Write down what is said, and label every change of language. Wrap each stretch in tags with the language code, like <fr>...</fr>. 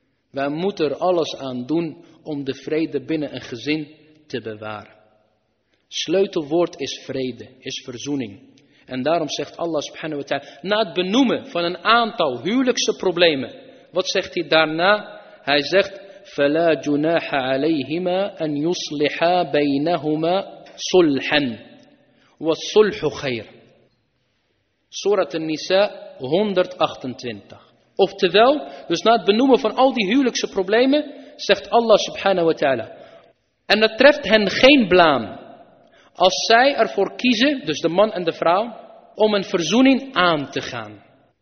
<nl>Wij moeten er alles aan doen om de vrede binnen een gezin te bewaren. Sleutelwoord is vrede, is verzoening. En daarom zegt Allah subhanahu wa ta'ala, na het benoemen van een aantal huwelijkse problemen, wat zegt hij daarna?</nl> <ar>Hij zegt, فَلَا جُنَاحَ عَلَيْهِمَا أَنْ يُصْلِحَا بَيْنَهُمَا صُلْحًا وَالصُلْحُ خَيْرًا.</ar> <nl>Surat al-Nisa 128. Oftewel, dus na het benoemen van al die huwelijkse problemen, zegt Allah subhanahu wa ta'ala, en dat treft hen geen blaam, als zij ervoor kiezen, dus de man en de vrouw, om een verzoening aan te gaan.</nl>